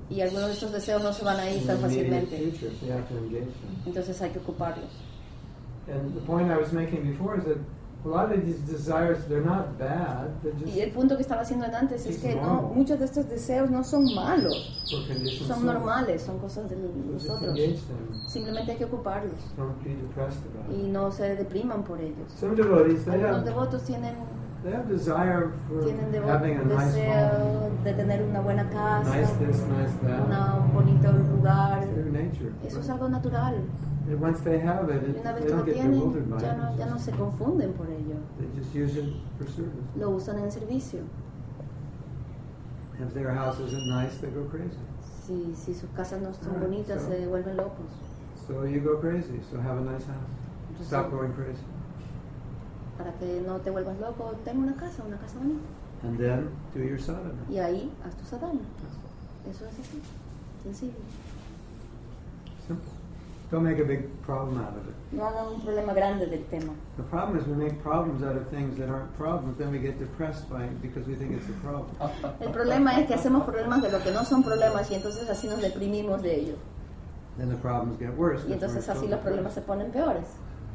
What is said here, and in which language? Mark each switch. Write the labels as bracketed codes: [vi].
[es] Y algunos de estos deseos no se van a ir tan fácilmente. [en] Future, you have to engage them. [es] Entonces hay que ocuparlos. [en] And the point I was making before is that a lot of these desires, they're not bad. They're just [es] y el punto que estaba haciendo antes es que no, muchos de estos deseos no son malos. Son normales, son cosas de nosotros. Simplemente hay que ocuparlos. [en] Don't be depressed about [es] y no se depriman por ellos. [en] Some devotees, they [es] algunos devotos tienen [en] they have desire for having a nice home. [es] Tienen deseo de tener una buena casa. [en] Nice this, nice that. [es] Un bonito lugar. [en] It's their nature. [es] Eso es algo natural. [en] And once they have it, they don't get bewildered by it. [es] Ya no se confunden por ello. [en] They just use it for service. [es] Lo usan en servicio. [en] If their house isn't nice, they go crazy. [es] Si sus casas no son bonitas, se vuelven locos. [en] So you go crazy. So have a nice house. Stop going crazy. [es] Para que no te vuelvas loco, ten una casa bonita. [en] And then do your sadhana. [es] Y ahí haz tu sadhana. Eso es así, sencillo. [en] Simple. Don't make a big problem out of it. [es] No hagan un problema grande del tema. [en] The problem is we make problems out of things that aren't problems, then we get depressed by it because we think it's a problem. [es] El problema es que hacemos problemas de lo que no son problemas y entonces así nos deprimimos de ello. [en] Then the problems get worse. [es] Y entonces así los problemas se ponen peores.